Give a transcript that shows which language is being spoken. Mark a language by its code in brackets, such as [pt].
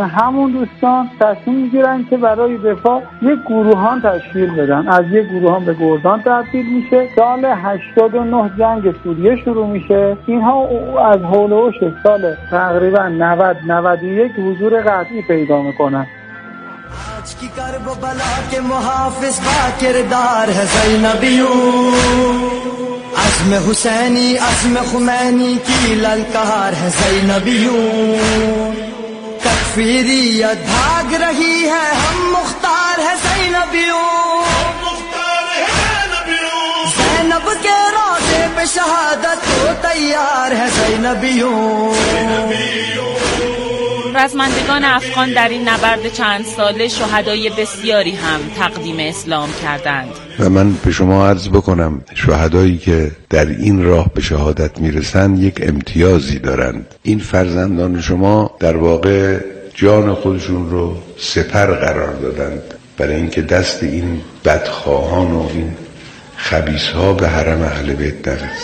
[fa] همون دوستان تصمیم میگیرن که برای دفاع یک گروهان تشکیل بدن، از یک گروهان به گردان تبدیل میشه. سال 89 جنگ سوریه شروع میشه. اینها از هولوش سال تقریبا 90-91 حضور قطعی پیدا میکنن. [ur] آج کی کربلا کے محافظ با کردار ہے زینبیوں، عزم حسینی عزم خمینی کی للکار ہے زینبیوں، تکفیریت بھاگ رہی ہے ہم مختار ہے زینبیوں، زینب کے روضے پہ شہادت ہو تیار ہے زینبیوں. [fa] رزمندگان افغان در این نبرد چند ساله شهدای بسیاری هم تقدیم اسلام کردند. و من به شما عرض بکنم شهدایی که در این راه به شهادت میرسند یک امتیازی دارند. این فرزندان شما در واقع جان خودشون رو سپر قرار دادند برای اینکه دست این بدخواهان و این خبیث‌ها به حرم اهل بیت نرسد.